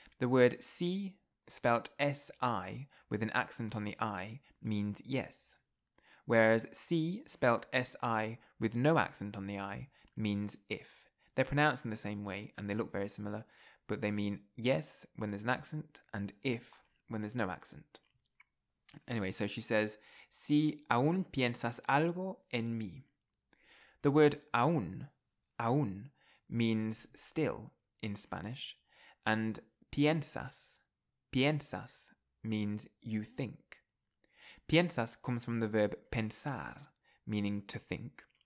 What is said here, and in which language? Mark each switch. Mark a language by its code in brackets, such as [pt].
[en] The word si, spelt S-I with an accent on the I, means yes. Whereas si, spelt S-I with no accent on the I, means if. They're pronounced in the same way and they look very similar, but they mean yes when there's an accent and if when there's no accent. Anyway, so she says, [es] si aún piensas algo en mí. [en] The word aún means still in Spanish, and piensas means you think. Piensas comes from the verb pensar, meaning to think.